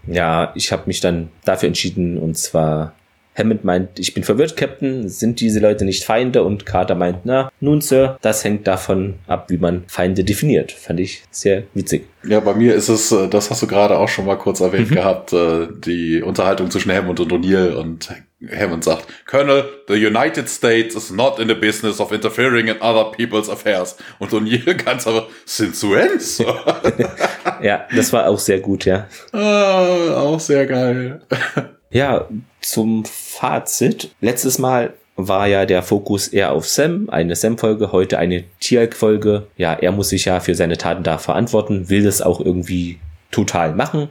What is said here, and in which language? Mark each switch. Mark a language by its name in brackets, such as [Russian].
[German] Ja, ich habe mich dann dafür entschieden, und zwar Hammond meint, ich bin verwirrt, Captain, sind diese Leute nicht Feinde? Und Carter meint, na, nun, Sir, das hängt davon ab, wie man Feinde definiert. Fand ich sehr witzig. Ja, bei mir ist es, das hast du gerade auch schon mal kurz erwähnt gehabt, die Unterhaltung zwischen Hammond und O'Neill. Und Hammond sagt, [English] Colonel, the United States is not in the business of interfering in other people's affairs. [German] Und O'Neill ganz einfach, [English] since when, Sir? [German] Ja, das war auch sehr gut, ja. Auch sehr geil. Ja, zum Fazit. Letztes Mal war ja der Fokus eher auf Sam, eine Sam-Folge, heute eine Tiag-Folge. Ja, er muss sich ja für seine Taten da verantworten, will das auch irgendwie total machen.